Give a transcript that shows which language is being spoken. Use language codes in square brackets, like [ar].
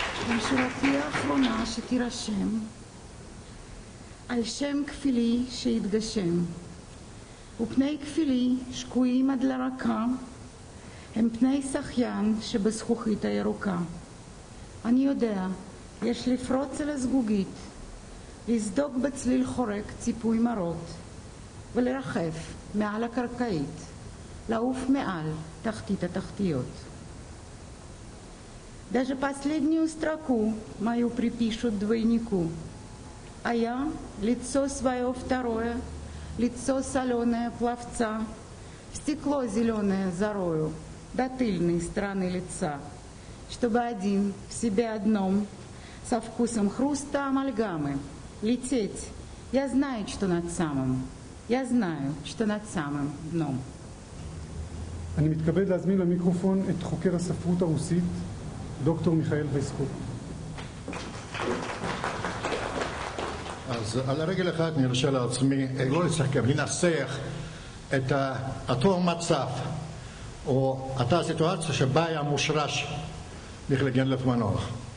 [he] בשורתי האחרונה שתירשם על שם כפילי שהתגשם, ופני כפילי שקועים עד לרקה, הם פני שחיין שבזכוכית הירוקה. אני יודע, יש לפרוץ אל הזגוגית, לסדוק בצליל חורק ציפוי מרות, ולרחף מעל הקרקעית, לעוף מעל תחתית התחתיות. [ru] Даже последнюю строку мою припишут двойнику, а я лицо свое второе, лицо соленое пловца, стекло зеленое зарою до тыльной стороны лица, чтобы один в себе одном со вкусом хруста амальгамы лететь. Я знаю, что над самым, я знаю, что над самым дном. [he] אני מתכבד להזמין למיקרופון את חוקר הספרות הרוסית דוקטור מיכאל ויסקו. אז על הרגל אחד אני ארשה לעצמי, לא לסכם, לנסח את אותו מצב או אותה סיטואציה שבה היה מושרש מיכאל גנדלב מנוח.